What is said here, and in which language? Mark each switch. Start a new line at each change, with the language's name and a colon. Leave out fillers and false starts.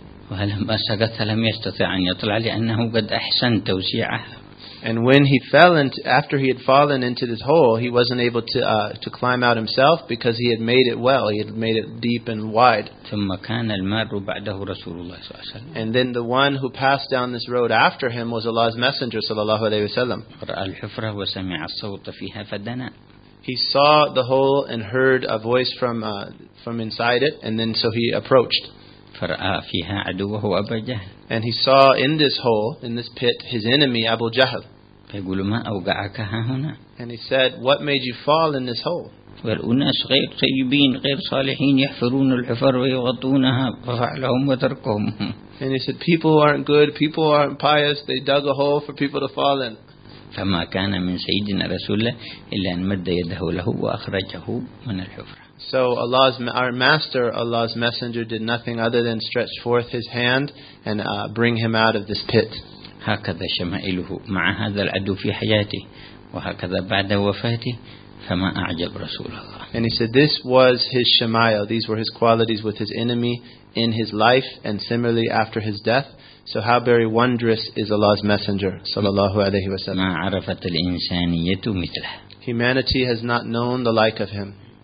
Arabic: ولما سقط لم يستطع أن يطلع لأنه قد أحسن توسيعه.
English: And when he fell into, after he had fallen into this hole, he wasn't able to climb out himself because he had made it well. He had made it deep and wide.
Arabic: ثم كان المار بعده رسول الله صلى الله عليه وسلم.
English: And then the one who passed down this road after him was Allah's Messenger صلى الله عليه وسلم.
Arabic: رأى الحفرة وسمع الصوت فيها فدنا.
English: He saw the hole and heard a voice from inside it, and then so he approached.
Arabic: فرأى فيها عدوه أبا جهل.
English: And he saw in this hole, in this pit, his enemy Abu Jahl.
Arabic: فيقول ما أوقعك ها هنا.
English: And he said, what made you fall in this hole?
Arabic: والأناس غير طيبين غير صالحين يحفرون الحفر ويغطونها ففعلهم وتركهم.
English: And he said, people who aren't good, people who aren't pious, they dug a hole for people to fall in.
Arabic: فما كان من سيدنا رسول الله إلا أن مد يده له وأخرجه من الحفرة.
English: So Allah's, our master, Allah's messenger, did nothing other than stretch forth his hand and bring him out of this pit.
Arabic: هكذا شمائله مع هذا العدو في حياته وهكذا بعد وفاته فما أعجب رسول الله.
English: And he said this was his shamayil, these were his qualities with his enemy in his life and similarly after his death. So how very wondrous is Allah's messenger, sallallahu alayhi wa sallam.
Arabic: ما عرفت الإنسانية مثله.
English: Humanity has not known the like of him.